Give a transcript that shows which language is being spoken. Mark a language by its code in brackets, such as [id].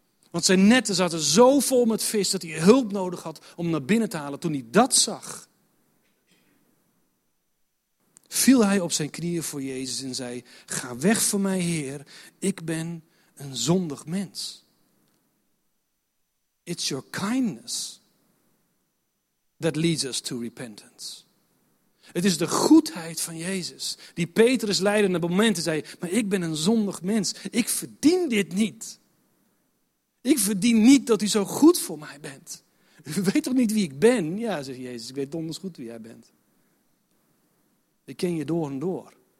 [nl] Want zijn netten zaten zo vol met vis dat hij hulp nodig had om naar binnen te halen. Toen hij dat zag, viel hij op zijn knieën voor Jezus en zei, ga weg van mij, Heer, ik ben een zondig mens. [en] It's your kindness that leads us to repentance. [nl] Het is de goedheid van Jezus die Petrus leidde naar momenten zei, maar ik ben een zondig mens, ik verdien dit niet. Ik verdien niet dat u zo goed voor mij bent. U weet toch niet wie ik ben? Ja, zegt Jezus, ik weet donders goed wie jij bent. Ik ken je door en door.